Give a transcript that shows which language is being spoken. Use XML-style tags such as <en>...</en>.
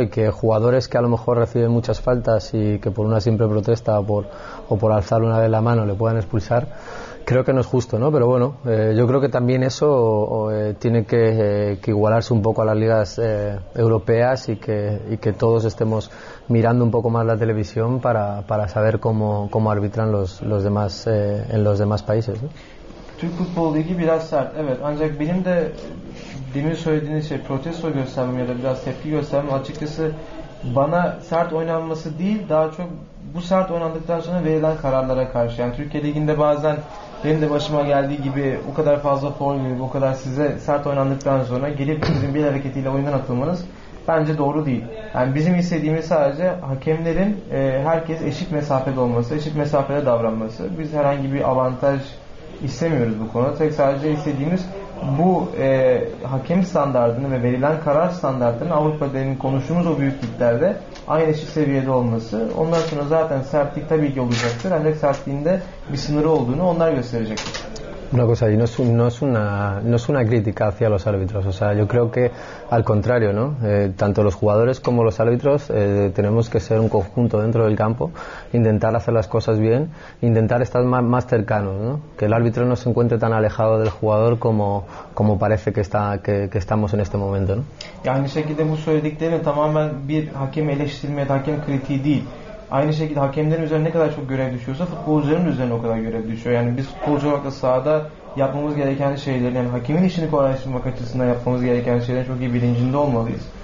<es>Y que jugadores que a lo mejor reciben muchas faltas y que por una simple protesta o por alzar una vez la mano le puedan expulsar, creo que no es justo, ¿no? Pero bueno, yo creo que también eso tiene que igualarse un poco a las ligas europeas y que todos estemos mirando un poco más la televisión para saber cómo arbitran los demás en los demás países, ¿no?</es> <tr>Türk futbol ligi biraz sert, evet. Ancak benim de demin söylediğiniz şey protesto göstermem ya da biraz tepki göstermem açıkçası bana sert oynanması değil, daha çok bu sert oynandıktan sonra verilen kararlara karşı. Yani Türkiye liginde bazen benim de başıma geldiği gibi o kadar fazla faul gibi, o kadar size sert oynandıktan sonra gelip sizin bir hareketiyle oyundan atılmanız bence doğru değil. Yani bizim istediğimiz sadece hakemlerin herkes eşit mesafede olması, eşit mesafede davranması. Biz herhangi bir avantaj istemiyoruz bu konuda. Tek sadece istediğimiz bu hakem standardını ve verilen karar standartlarını Avrupa'da demin konuştuğumuz o büyüklüklerde aynı eşit seviyede olması. Ondan sonra zaten sertlik tabii ki olacaktır. Ancak sertliğinde bir sınırı olduğunu onlar gösterecektir.</tr> <es>Una cosa, y no es una crítica hacia los árbitros. O sea, yo creo que al contrario, ¿no? Tanto los jugadores como los árbitros tenemos que ser un conjunto dentro del campo, intentar hacer las cosas bien, intentar estar más cercanos, ¿no? Que el árbitro no se encuentre tan alejado del jugador como parece que estamos en este momento, ¿no?</es> <tr>Aynı şekilde bu söylediklerini tamamen bir hakem eleştirmeye, hakem kritiği değil. Aynı şekilde hakemlerin üzerine ne kadar çok görev düşüyorsa futbolcuların üzerine o kadar görev düşüyor. Yani biz futbolcu olarak da sahada yapmamız gereken şeyleri, yani hakemin işini kolaylaştırmak açısından yapmamız gereken şeylerin çok iyi bilincinde olmalıyız.</tr>